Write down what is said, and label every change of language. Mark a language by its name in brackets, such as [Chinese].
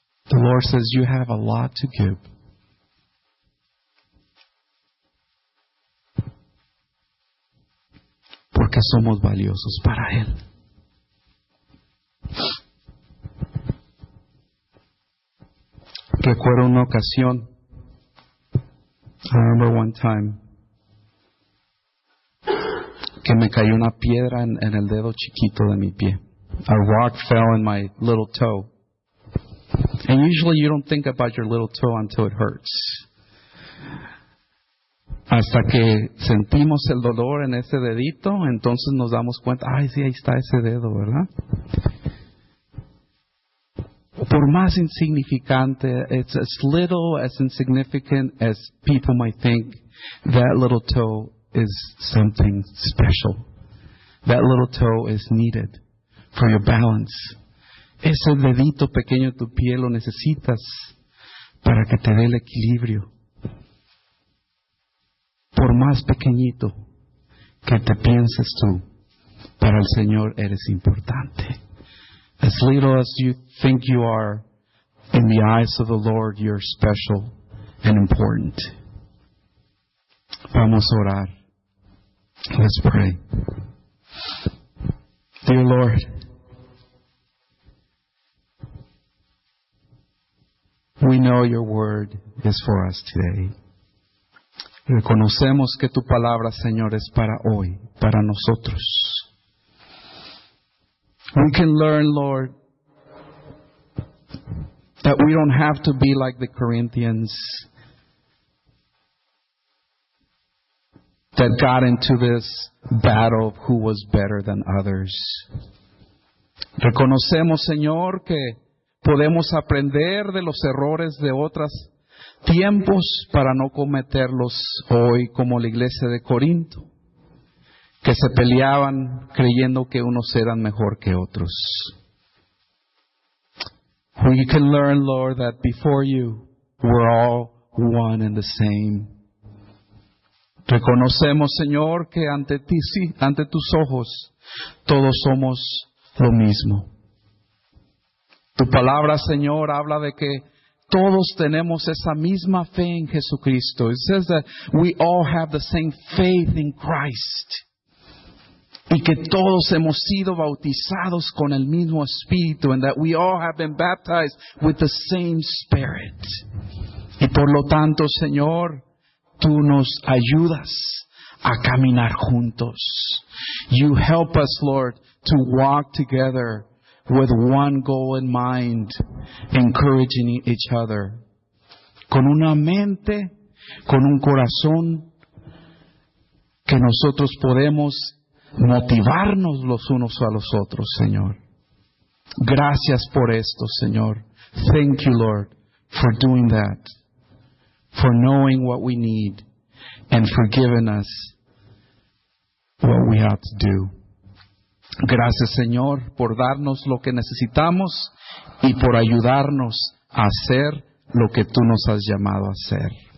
[English] The Lord says, you have a lot to give. [Spanish] Porque somos valiosos para Él. Recuerdo una ocasión. [English] I remember one time. [Spanish] Que me cayó una piedra en el dedo chiquito de mi pie. [English] A rock fell in my little toe. And usually you don't think about your little toe until it hurts. [Spanish] Hasta que sentimos el dolor en ese dedito, entonces nos damos cuenta, ay, sí, ahí está ese dedo, ¿verdad? Por más insignificante, [English] it's as little, as insignificant as people might think, that little toe is something special. That little toe is needed for your balance. [Spanish] Ese dedito pequeño de tu pie lo necesitas para que te dé el equilibrio. Por más pequeñito que te pienses tú, para el Señor eres importante. [English] As little as you think you are, in the eyes of the Lord, you're special and important. [Spanish] Vamos a orar. [English] Let's pray. Dear Lord, we know your word is for us today. [Spanish] Reconocemos que tu palabra, Señor, es para hoy, para nosotros. [English] We can learn, Lord, that we don't have to be like the Corinthians that got into this battle of who was better than others. [Spanish] Reconocemos, Señor, que podemos aprender de los errores de otros tiempos para no cometerlos hoy, como la iglesia de Corinto, que se peleaban creyendo que unos eran mejor que otros. [English] We can learn, Lord, that before you, we're all one and the same. [Spanish] Reconocemos, Señor, que ante ti, sí, ante tus ojos, todos somos lo mismo. Tu palabra, Señor, habla de que todos tenemos esa misma fe en Jesucristo. [English] It says that we all have the same faith in Christ. [Spanish] Y que todos hemos sido bautizados con el mismo Espíritu. [English] And that we all have been baptized with the same Spirit. [Spanish] Y por lo tanto, Señor, tú nos ayudas a caminar juntos. [English] You help us, Lord, to walk together with one goal in mind, encouraging each other. [Spanish] Con una mente, con un corazón, que nosotros podemos motivarnos los unos a los otros, Señor. Gracias por esto, Señor. [English] Thank you, Lord, for doing that. For knowing what we need and for giving us what we have to do. [Spanish] Gracias, Señor, por darnos lo que necesitamos y por ayudarnos a hacer lo que tú nos has llamado a hacer.